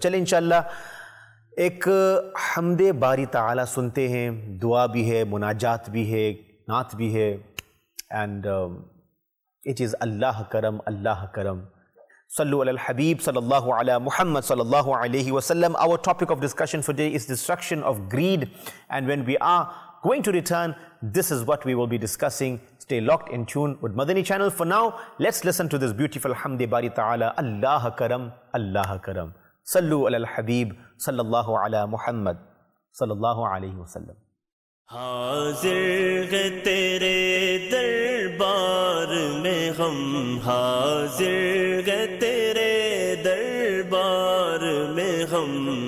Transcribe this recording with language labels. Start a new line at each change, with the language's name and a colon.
Urdu: چلیں انشاءاللہ ایک حمد باری تعالی سنتے ہیں. دعا بھی ہے, مناجات بھی ہے, نعت بھی ہے,
English: and it is
Urdu: اللہ کرم, اللہ کرم.
Arabic: صلو علی الحبیب صلی اللہ علی محمد صلی اللہ علیہ وسلم.
English: Our topic of discussion for today is destruction of greed, and when we are going to return, this is what we will be discussing. Stay locked in tune with Madani channel. For now, let's listen to this beautiful حمد باری تعالی.
Urdu: اللہ کرم, اللہ کرم.
Arabic: صلو علی الحبیب صلی اللہ علی محمد صلی اللہ علیہ وسلم.
Urdu: حاضر ہے تیرے دربار میں ہم, حاضر ہے تیرے دربار میں ہم.